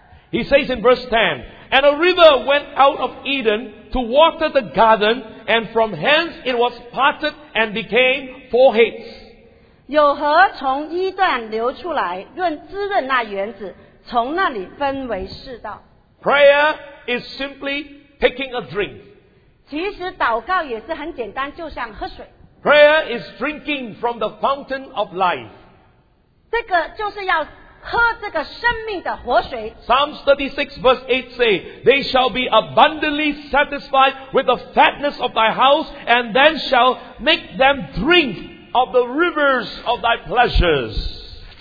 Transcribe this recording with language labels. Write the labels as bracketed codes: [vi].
[en] He says in verse 10, And a river went out of Eden to water the garden, and from hence it was parted and became four heads. [zh] 有河从伊段流出来,润滋润那园子,从那里分为四道。 [en] Prayer is simply taking a drink. [zh] 其实祷告也是很简单,就像喝水。 [en] Prayer is drinking from the fountain of life. [zh] 这个就是要 [en] Psalms 36 verse 8 say, They shall be abundantly satisfied with the fatness of thy house, and then shall make them drink of the rivers of thy pleasures.